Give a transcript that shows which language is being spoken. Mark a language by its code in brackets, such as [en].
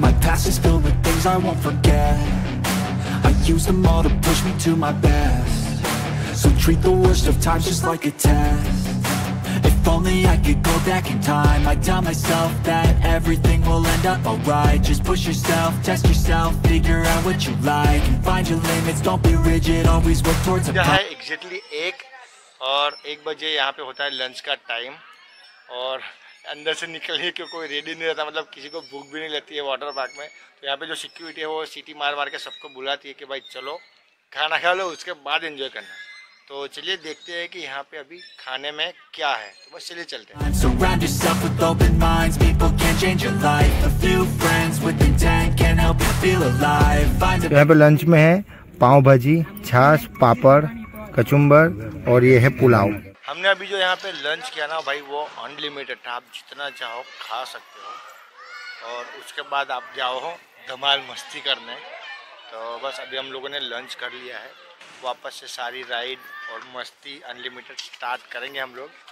[en] My past is filled with things I won't forget. I use them all to push me to my best. So treat the worst of times just like a test. If only I could go back in time, I'd tell myself that everything will end up alright. Just push yourself, test yourself, figure out what you like and find your limits. Don't be rigid, always work towards a path. [hi] Exactly 1 और 1 बजे यहाँ पे होता है lunch का time, और अंदर से निकलने के कोई रेडी नहीं रहता, मतलब किसी को भूख भी नहीं लगती है वाटर पार्क में। तो यहाँ पे जो सिक्योरिटी है वो सीटी मार मार के सबको बुलाती है कि भाई चलो खाना खा लो, उसके बाद एंजॉय करना। तो चलिए देखते हैं कि यहाँ पे अभी खाने में क्या है। तो बस चलिए चलते हैं। [en] Surround yourself with open minds, people can change your life. A few friends with intent can help you feel alive. [hi] यहाँ पे लंच में है पाव भाजी, छाछ, पापड़, कचुम्बर और ये है पुलाव। हमने अभी जो यहाँ पे लंच किया ना भाई, वो अनलिमिटेड था, आप जितना चाहो खा सकते हो, और उसके बाद आप जाओ हो धमाल मस्ती करने। तो बस अभी हम लोगों ने लंच कर लिया है, वापस से सारी राइड और मस्ती अनलिमिटेड स्टार्ट करेंगे हम लोग।